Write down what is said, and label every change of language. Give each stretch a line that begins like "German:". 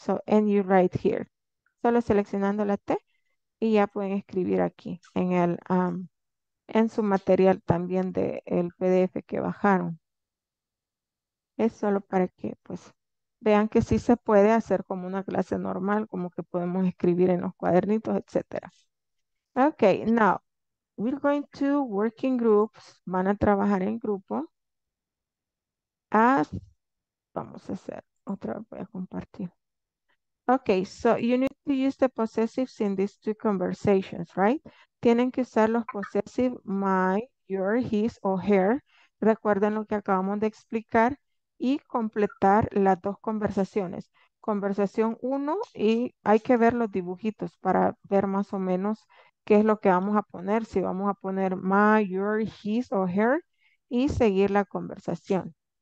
English: So, and you right here.
Spanish: Solo seleccionando la T y ya pueden escribir aquí en el en su material también del PDF que bajaron. Es solo para que pues vean que sí se puede hacer como una clase normal, como que podemos escribir en los cuadernitos, etc.
English: Ok, now, we're going to work in groups.
Spanish: Van a trabajar en grupo. As, vamos a hacer otra, voy a compartir.
English: Ok, so you need to use the possessives in these two conversations, right?
Spanish: Tienen que usar los possessive my, your, his o her. Recuerden lo que acabamos de explicar y completar las dos conversaciones. Conversación 1 y hay que ver los dibujitos para ver más o menos qué es lo que vamos a poner. Si vamos a poner my, your, his o her y seguir la conversación.